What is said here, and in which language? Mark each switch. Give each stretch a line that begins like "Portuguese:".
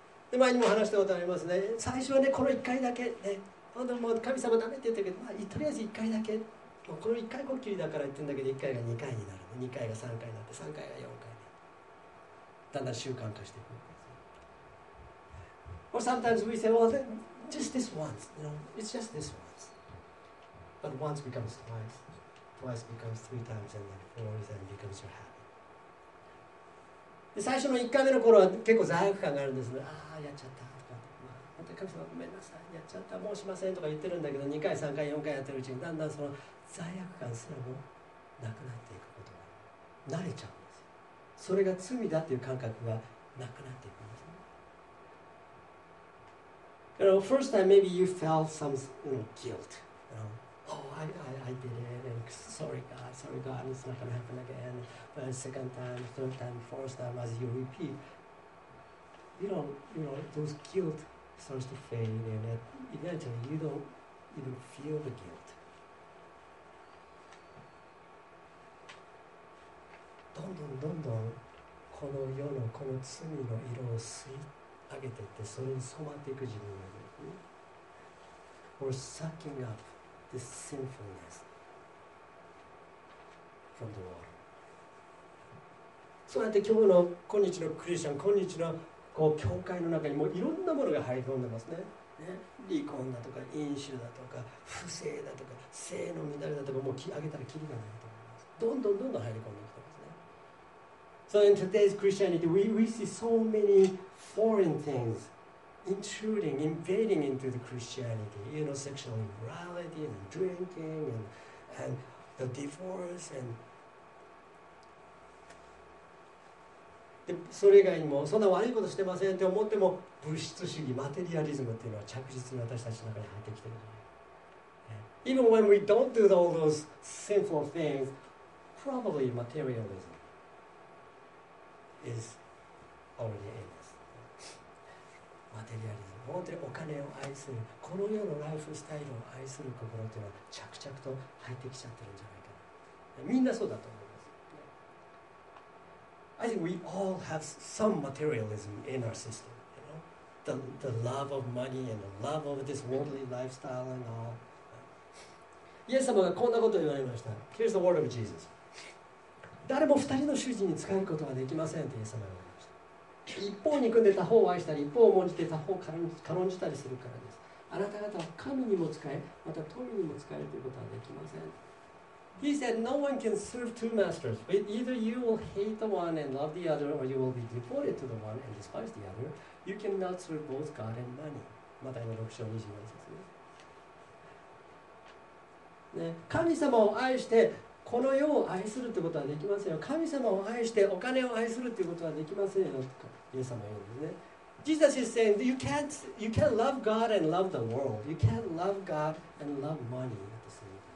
Japanese: で、前にも話したことありますね。最初はね、この1回だけ、ね。本当もう神様ダメって言ったけど、まあ、とりあえず1回だけ。もうこの1回ごっきりだから言ってるんだけど、1回が2回になる、ね。2回が3回になって、3回が4回で。だんだん習慣化していくんです。
English: Or sometimes we say, well, then, just this once. You know, it's just this once. But once becomes twice. Twice becomes three times, and then four times becomes your habit.
Japanese: 最初の1回目の頃は結構罪悪感があるんですね。ああ、やっちゃったとか、まあ、本当に神様ごめんなさい、やっちゃった、もうしませんとか言ってるんだけど、2回、3回、4回やってるうちに、だんだんその罪悪感すらもなくなっていくことが慣れちゃうんですよ。それが罪だっていう感覚がなくなっていくんですね。
English: You know, first time maybe you felt some, you know, guilt, you know? Oh, I did it, and sorry God, it's not going to happen again. But second time, third time, fourth time, as you repeat, you know, those guilt starts to fade, and eventually you don't even feel the guilt.
Japanese: どんどんどんどんこの世のこの罪の色を吸い上げていって、それに染まっていく自分がいる。
English: We're sucking up. The sinfulness from the world.
Japanese: そうやって今日の今日のクリスチャン、今日のこう教会の中にもいろんなものが入り込んでますね。ね、離婚だとか飲酒だとか不正だとか性の乱れだとかもう上げたらキリがないと思います。どんどんどんどん入り込んできてますね。
English: So in today's Christianity, we see so many foreign things. Intruding, invading into the Christianity, you know, sexual immorality and drinking and the divorce and
Japanese: でそれ以外にもそんな悪いことしてませんって思っても物質主義、マテリアリズムっていうのは着実に私たちの中に入ってきてる。
English: Yeah. Even when we don't do all those sinful things, probably materialism is already in.
Japanese: マテリアリズム、本当にお金を愛する、この世のライフスタイルを愛する心というのは着々と入ってきちゃってるんじゃないかな。みんなそうだと思います。
English: I think we all have some materialism in our system, you know? The love of money and the love of this worldly lifestyle and all.
Japanese: イエス様がこんなことを言われました。
English: Here's the word of Jesus.
Japanese: 誰も二人の主人に仕えることはできませんとイエス様が言われました。一方憎んで他方を愛したり一方を重んじて他方を軽んじたりするからです。あなた方は神にも使えまた富にも使えるということはできません。
English: He said, No one can serve two masters. Either you will hate the one and love the other, or you will be devoted to the one and despise the other. You cannot serve both God and money.
Japanese: マタイの6章24節ですね。ね、神様を愛してこの世を愛するということはできませんよ。神様を愛してお金を愛するということはできませんよ。とか、イエス様言うんですね。
English: Jesus is saying, you can't love God and love the world. You can't love God and love money at the same time.